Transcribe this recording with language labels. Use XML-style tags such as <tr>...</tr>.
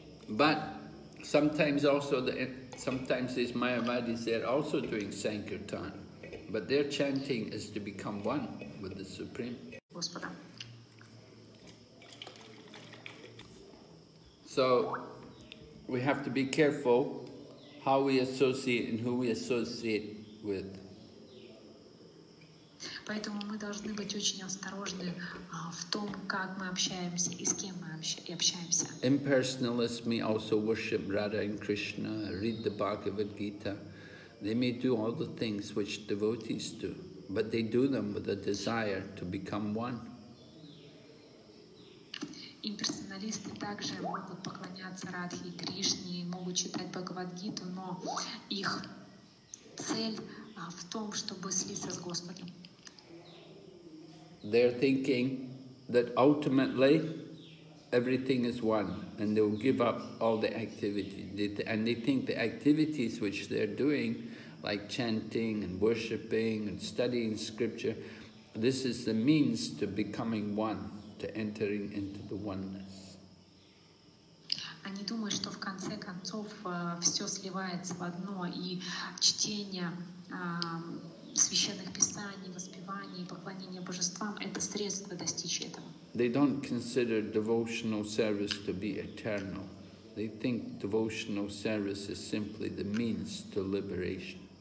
<en>But sometimes also sometimes these Mayavadis, they're also doing Sankirtan, but their chanting is to become one with the Supreme. So we have to be careful how we associate and who we associate with.</en> <ru>Поэтому мы должны быть очень осторожны в том, как мы общаемся и с кем мы общаемся.</ru> <en>Impersonalists may also worship Radha and Krishna, read the Bhagavad Gita. They may do all the things which devotees do, but they do them with a desire to become one.</en> <ru>Имперсоналисты также могут поклоняться Радхе и Кришне, могут читать Бхагавад-гиту, но их цель в том, чтобы слиться с Господом.</ru> <en>They're thinking that ultimately everything is one, and they'll give up all the activities. And they think the activities which they're doing, like chanting and worshipping and studying scripture, this is the means to becoming one, to entering into the oneness.</en> <ru>Они думают, что в конце концов все сливается в одно, и чтение священных писаний, воспевание и поклонение божествам — это средство достичь этого.</ru> <en>They don't consider devotional service to be eternal. They think devotional service is simply the means to liberation.</en>